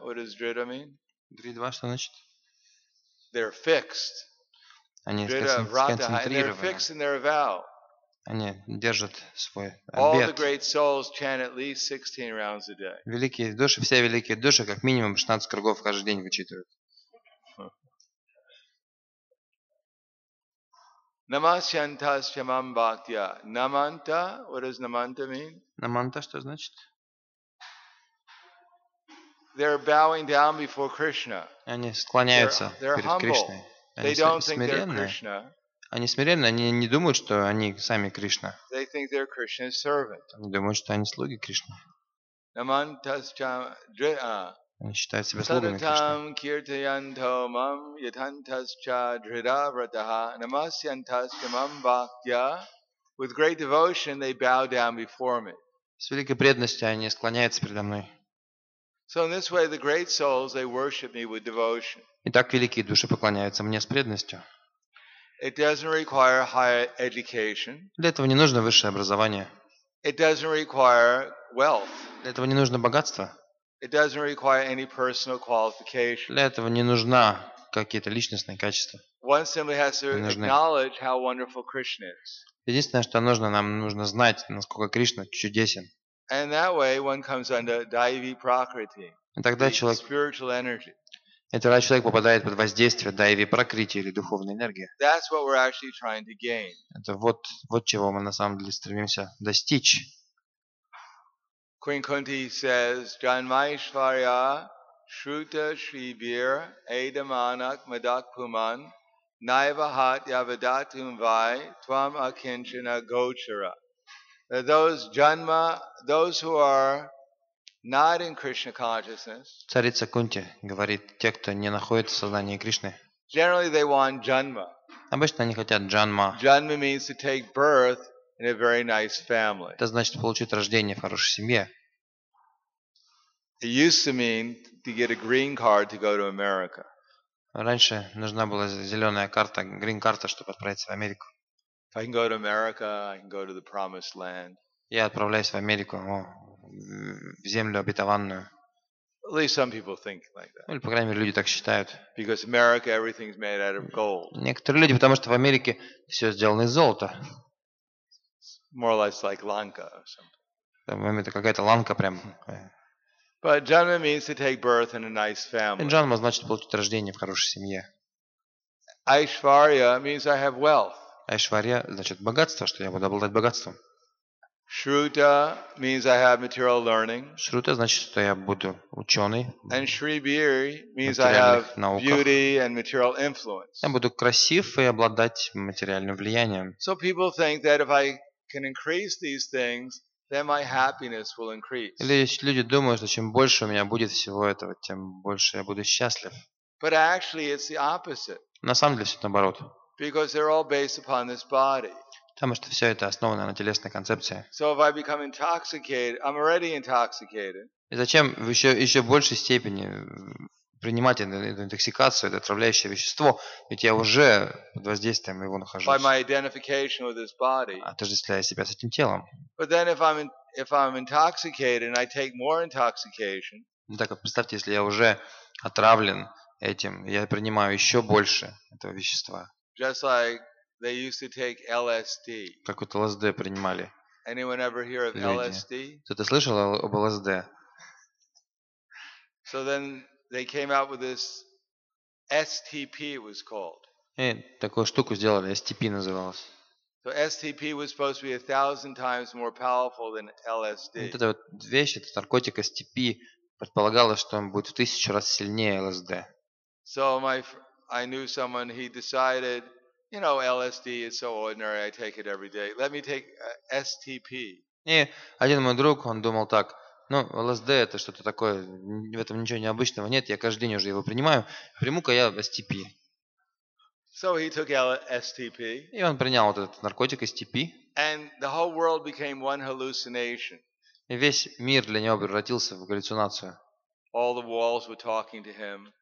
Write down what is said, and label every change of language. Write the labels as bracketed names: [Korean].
[English] What does дрида mean? [Russian] Дридва, что значит? [English] They're fixed. [Russian] Они сконцентрированы. [English] They're fixed in their vow. [Russian] Они держат свой обет. [English] All the great souls chant at least 16 rounds a day. [Russian] Великие души, все великие души, как минимум 16 кругов каждый день вычитывают. [Sanskrit] Намасьянтасья мам бхактья. [English] Наманта, what does наманта mean? [Russian] Наманта, что значит? [English] They're bowing down before Krishna. [Russian] Они склоняются перед Кришной. [English] They don't think they're Krishna. [Russian] Они смиренны, они не думают, что они сами Кришна. [English] They think they're Krishna's servant. [Russian] Они думают, что они слуги Кришны. [Sanskrit] Намантасчам дрида. [Russian] Они считают себя слугами Кришны. [Sanskrit] Сататам киртаянтамам ятантасча дрида вратаха намасьянтасчамам бхактья. [English] With great devotion, they bow down before me. [Russian] С великой преданностью они склоняются передо мной. [English] So in this way, the great souls they worship me with devotion. [Russian] Итак, великие души поклоняются мне с преданностью. [English] It doesn't require higher education. [Russian] Для этого не нужно высшее образование. [English] It doesn't require wealth. [Russian] Для этого не нужно богатство. [English] It doesn't require any personal qualification. [Russian] Для этого не нужна какие-то личностные качества. [English] One simply has to acknowledge how wonderful Krishna is. [Russian] Единственное, что нужно нам, нужно знать, насколько Кришна чудесен. [English] And that way one comes under Daivi Prakriti. [Russian] И тогда человек, [English] spiritual energy. [Russian] И тогда человек попадает под воздействие Daivi Prakriti или духовной энергии. [English] That's what we're actually trying to gain. [Russian] Это вот, вот чего мы на самом деле стремимся достичь. [English] Queen Kunti says, [Sanskrit] Janmaishvarya Shruta Shribir Edamanak Madakpuman Naivahat Yavadatum Vai Twam Akinchana Gochara. [English] That those janma, those who are not in Krishna consciousness, [Russian] царица Кунти говорит, те, кто не находится в сознании Кришны, [English] generally they want janma. [Russian] Обычно они хотят janma. [English] Janma means to take birth in a very nice family. [Russian] Это значит получить рождение в хорошей семье. [English] It used to mean to get a green card to go to America. [Russian] Раньше нужна была зеленая карта, green карта, чтобы отправиться в Америку. [English] If I can go to America, I can go to the promised land. [Russian] Я отправляюсь в Америку, в землю обетованную. [English] At least some people think like that. [Russian] Или, по крайней мере, люди так считают. [English] Because America, everything is made out of gold. [Russian] Некоторые люди, потому что в Америке все сделано из золота. [English] More or less like Lanka or something. [Russian] Там, это какая-то Ланка прям. [English] But janma means to take birth in a nice family. [Russian] Janma значит получить рождение в хорошей семье. [English] Aishwarya means I have wealth. [Russian] Айшварья значит богатство, что я буду обладать богатством. [English] Шрута means I have material learning. [Russian] Шрута значит, что я буду ученый. [English] And Шрибири means I have beauty and material influence. [Russian] Я буду красив и обладать материальным влиянием. [English] So people think that if I can increase these things, then my happiness will increase. [Russian] Или люди думают, что чем больше у меня будет всего этого, тем больше я буду счастлив. [English] But actually, it's the opposite. [Russian] На самом деле все наоборот. [English] Because they're all based upon this body. [Russian] Потому что все это основано на телесной концепции. [English] So if I become intoxicated, I'm already intoxicated. [Russian] И зачем в еще большей степени принимать эту интоксикацию, это отравляющее вещество, ведь я уже под воздействием его нахожусь. [English] By my identification with this body. [Russian] Отождествляя себя с этим телом. [English] But then if I'm intoxicated and I take more intoxication. [Russian] Так вот, представьте, если я уже отравлен этим, я принимаю еще больше этого вещества. [English] Just like they used to take LSD. [Russian] Как вот ЛСД принимали. [English] Anyone ever hear of LSD? [Russian] Кто-то слышал об ЛСД? [English] So then they came out with this STP, it was called. [Russian] И такую штуку сделали, STP называлось. [English] So STP was supposed to be 1,000 times more powerful than LSD. [Russian] Вот эта вот вещь, этот наркотик STP, предполагалось, что он будет в 1000 раз сильнее ЛСД. [English] So I knew someone, he decided, you know, LSD is so ordinary, I take it every day. Let me take STP. [Russian] И один мой друг, он думал так, ну, ЛСД это что-то такое, в этом ничего необычного нет, я каждый день уже его принимаю, приму-ка я STP. [English] So he took STP. [Russian] И он принял вот этот наркотик STP. [English] And the whole world became one hallucination. [Russian] И весь мир для него превратился в галлюцинацию. [English] All the walls were talking to him.